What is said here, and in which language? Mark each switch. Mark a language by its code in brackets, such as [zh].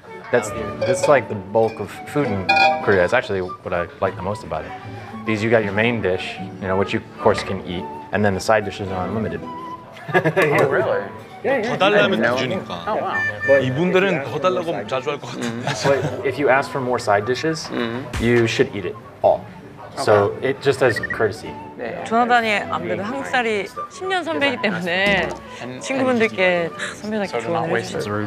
[en] That's like the bulk of food in Korea. It's actually what I like the most about it. Because you got your main dish, you know, which you of course can eat, and then the side dishes are unlimited. Oh, really? [ko] Yeah, yeah. 더 달라면 기준이니까. [en] Oh, wow. [ko] But 이분들은 더 달라고 자주 할 것 같은데. [en] But if you ask for more side dishes, you should eat it all. So okay. It just as courtesy. [ko] 조나단이 아무래도 한국살이 10년 선배이기 때문에 친구분들께 선배답게 조언을 해주시죠.